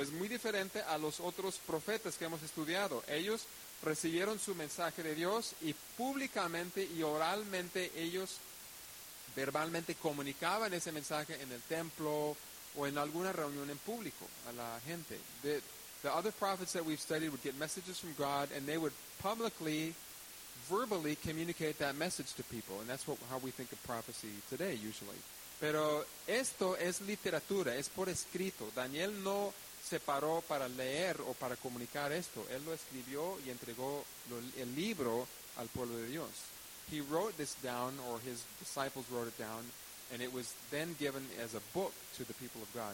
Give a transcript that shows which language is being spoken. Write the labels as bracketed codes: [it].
[es] Es muy diferente a los otros profetas que hemos estudiado. Ellos recibieron su mensaje de Dios y públicamente y oralmente ellos verbalmente comunicaban ese mensaje en el templo o en alguna reunión en público a la gente. [en] The other prophets that we've studied would get messages from God and they would publicly, verbally communicate that message to people. And that's how we think of prophecy today, usually. [es] Pero esto es literatura, es por escrito. Daniel no se paró para leer o para comunicar esto. Él lo escribió y entregó el libro al pueblo de Dios. [en] He wrote this down, or his disciples wrote it down, and it was then given as a book to the people of God.